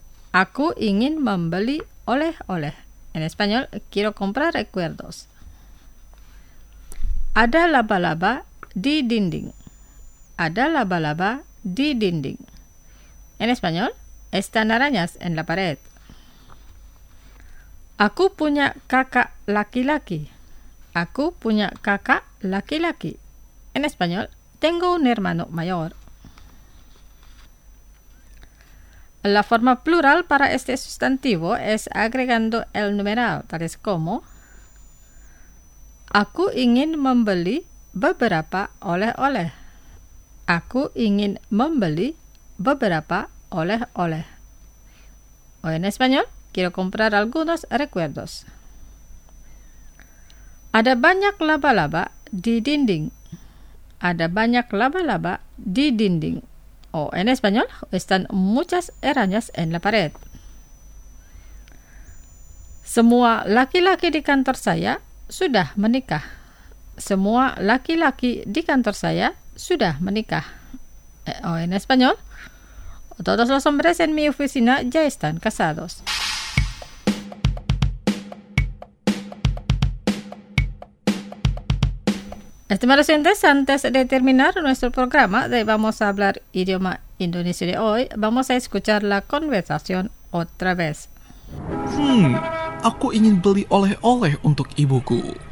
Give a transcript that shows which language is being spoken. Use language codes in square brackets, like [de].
[id] Aku ingin membeli oleh-oleh. [es] En español, quiero comprar recuerdos. [id] Ada laba-laba di dinding. Ada laba-laba di dinding. [es] En español, están arañas en la pared. [id] Aku punya kakak laki-laki. Aku punya kakak laki-laki. [es] En español, tengo un hermano mayor. La forma plural para este sustantivo es agregando el numeral, tales como [id] aku ingin membeli beberapa oleh-oleh. Aku ingin membeli beberapa oleh-oleh. [es] O en español, quiero comprar algunos recuerdos. [id] Ada banyak laba-laba di dinding. Ada banyak laba-laba di dinding. [es] O en español, están muchas arañas en la pared. [id] Semua laki-laki di kantor saya sudah menikah. Semua laki-laki di kantor saya sudah menikah. [es] O en español, todos los hombres en mi oficina ya están casados. Estimados oyentes, antes de terminar nuestro programa de Vamos a hablar idioma indonesio de hoy, vamos a escuchar la conversación otra vez. [id] Aku ingin beli oleh-oleh untuk ibuku.